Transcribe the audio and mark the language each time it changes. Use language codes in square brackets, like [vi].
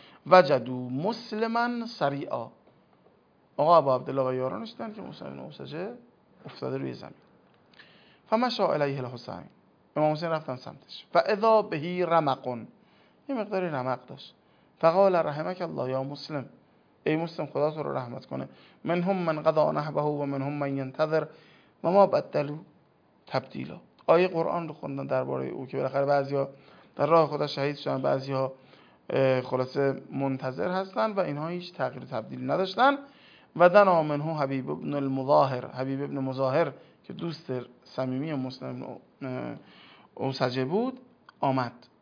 [ar] فوجدوا مسلما سریعا، [fa] آقا ابو عبدالله و یارانش دیدن که مسلم مسجد افتاده روی زمین. [ar] فمشا الیه الحسین، [fa] امام حسین رفتن سمتش. [ar] فاذا به رمق، [fa] یه مقداری رمق داشت. [ar] فقال رحمك الله یا مسلم، [fa] ای مسلم خدا تو رو رحمت کنه. [ar] منهم من قضا نحبه و منهم من ينتظر و ما بدلوا تبدیلا. [fa] آیه قرآن رو خوندن درباره او که بالاخره بعضیا در راه خدا شهید شدن، بعضیا خلاصه منتظر هستن و اینها هیچ تغییر تبدیل نداشتن. [ar] و دنا منه حبیب ابن المظاهر، [fa] حبیب ابن مظاهر که دوست صمیمی مسلم او سجه بود، آمد.